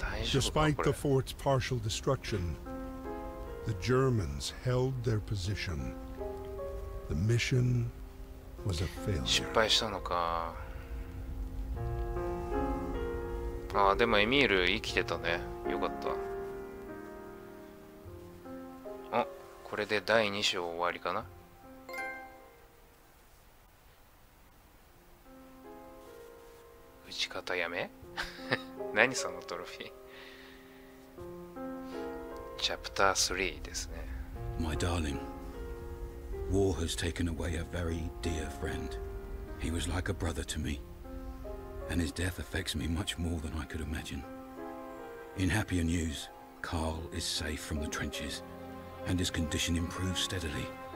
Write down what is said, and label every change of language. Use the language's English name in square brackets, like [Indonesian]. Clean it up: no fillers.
[English] Despite the fort's partial destruction, the Germans held their position. The mission was a failure. [Japanese] 失敗したのか。あ、でもエミール生きてたね。よかった。あ、これで第2章終わりかな。打ち方やめ？何そのトロフィー。 Chapter 3ですね。 [English] My darling, war has taken away a very dear friend. He was like a brother to me, and his death affects me much more than I could imagine. In happier news, Carl is safe from the trenches, and his condition improves steadily.